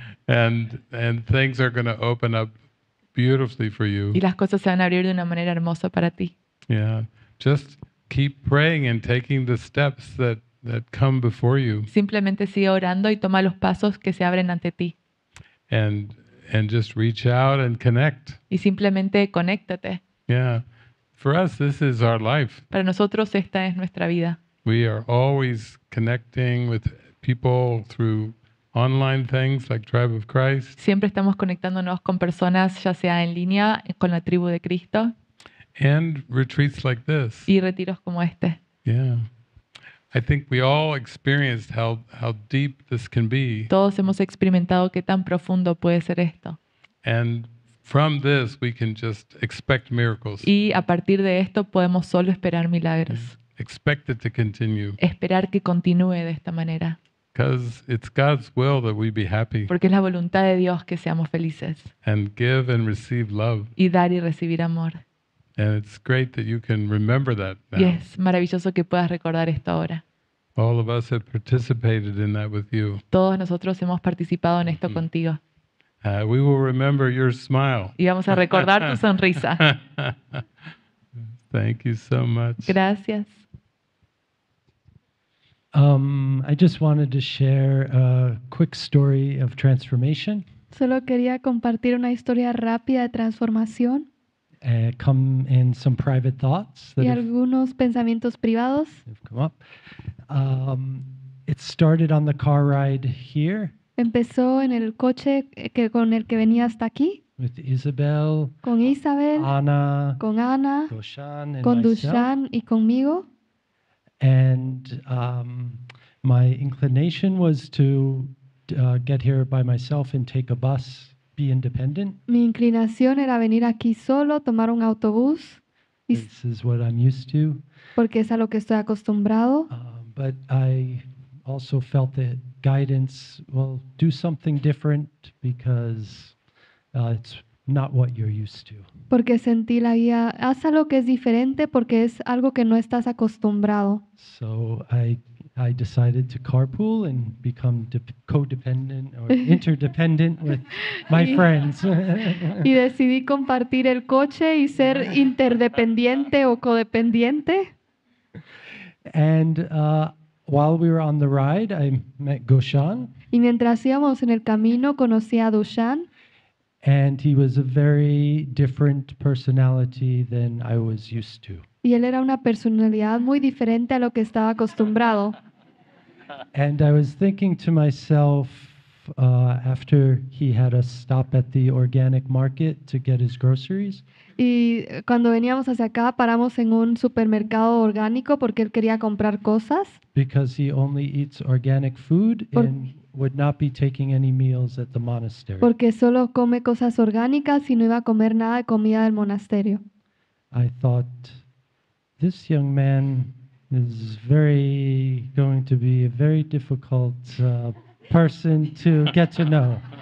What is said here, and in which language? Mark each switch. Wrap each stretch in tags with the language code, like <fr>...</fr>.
<en>And things are going to open up beautifully for you.</en> <es>Y las cosas se van a abrir de una manera hermosa para ti.</es> <en>Yeah, just keep praying and taking the steps that come before you.</en> <es>Simplemente sigue orando y toma los pasos que se abren ante ti.</es> <en>And just reach out and connect.</en> <es>Y simplemente conéctate.</es> <en>Yeah, for us this is our life.</en> <es>Para nosotros esta es nuestra vida.</es> <en>We are always connecting with people through online things like Tribe of Christ.</en> <es>Siempre estamos conectándonos con personas, ya sea en línea, con la tribu de Cristo.</es> <en>And retreats like this.</en> <es>Y retiros como este.</es> <en>Yeah. I think we all experienced how deep this can be.</en> <es>Todos hemos experimentado qué tan profundo puede ser esto.</es> <en>And from this we can just expect miracles.</en> <es>Y a partir de esto podemos solo esperar milagros.</es> <en>Yeah. Expect it to continue.</en> <es>Esperar que continúe de esta manera.</es> <en>Because it's God's will that we be happy.</en> <es>Porque es la voluntad de Dios que seamos felices.</es> <en>And give and receive love.</en> <es>Y dar y recibir amor.</es> <en>And it's great that you can remember that now.</en> <es>Y es maravilloso que puedas recordar esto ahora.</es> <en>All of us have participated in that with you.</en> <es>Todos nosotros hemos participado en esto contigo.</es> <en>We will remember your smile.</en> <es>Y vamos a recordar tu sonrisa.</es> <en>Thank you so much.</en> <es>Gracias.</es> <en>I just wanted to share a quick story of transformation.</en> <es>Solo quería compartir una historia rápida de transformación.</es> <en>Come in some private thoughts.</en> <es>Y algunos pensamientos privados.</es> <en>Have come up. It started on the car ride here.</en> <es>Empezó en el coche con el que venía hasta aquí.</es> <en>With Isabel.</en> <es>Con Isabel.</es> <en>Ana.</en> <es>Con Ana.</es> <en>Dushan and</en> <es>con Dushan</es> <en>myself.</en> <es>Y conmigo.</es> <en>And my inclination was to get here by myself and take a bus, be independent.</en> <es>Mi inclinación era venir aquí solo, tomar un autobús.</es> <en>This is what I'm used to.</en> <es>Porque es a lo que estoy acostumbrado.</es> <en>But I also felt the guidance, well, do something different because it's not what you're used to.</en> <es>Porque sentí la guía, haz algo que es diferente porque es algo que no estás acostumbrado.</es> <en>So I decided to carpool and become codependent or interdependent with my friends.</en> <es>Y decidí compartir el coche y ser interdependiente o codependiente.</es> <en>And while we were on the ride, I met Gushan.</en> <es>Y mientras íbamos en el camino, conocí a Dushan.</es> <en>And he was a very different personality than I was used to.</en> <es>Y él era una personalidad muy diferente a lo que estaba acostumbrado.</es> <en>And I was thinking to myself, after he had a stop at the organic market to get his groceries.</en> <es>Y cuando veníamos hacia acá, paramos en un supermercado orgánico porque él quería comprar cosas.</es> <en>Because he only eats organic food and would not be taking any meals at the monastery.</en> <es>Porque solo come cosas orgánicas y no iba a comer nada de comida del monasterio.</es> <en>I thought, this young man is very going to be a very difficult person to get to know.</en>